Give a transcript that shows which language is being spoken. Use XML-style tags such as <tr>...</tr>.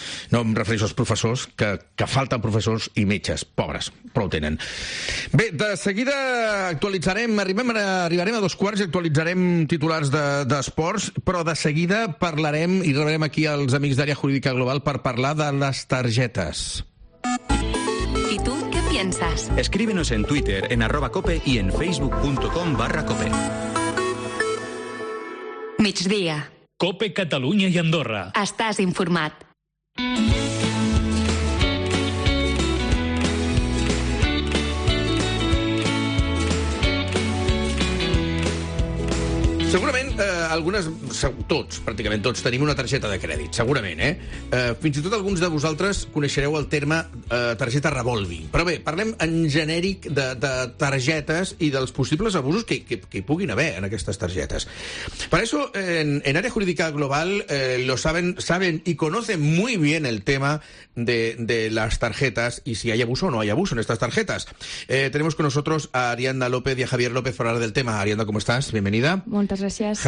<ca>No em refereixo als professors, que falten professors i metges, pobres, però ho tenen. Bé, de seguida actualitzarem, arribarem a dos quarts i actualitzarem titulars d'esports, però de seguida parlarem i rebrem aquí els amics d'Àrea Jurídica Global per parlar de les targetes.</ca> <es>¿Y tú qué piensas? Escríbenos en Twitter en @cope y en facebook.com/cope.</es> <ca>Migdia. Cope Catalunya i Andorra. Estàs informat. Segurament, tots, pràcticament tots, tenim una targeta de crèdit, segurament, eh? Fins i tot alguns de vosaltres coneixereu el terme targeta revolving. Però bé, parlem en genèric de targetes i dels possibles abusos que hi puguin haver en aquestes targetes. Per això,</ca> <es>en Àrea Jurídica Global, lo saben y conocen muy bien el tema de las tarjetas y si hay abuso o no hay abuso en estas tarjetas. Tenemos con nosotros a Arianda López y a Javier López para hablar del tema. Arianda, ¿cómo estás? Bienvenida. Muchas gracias.</es>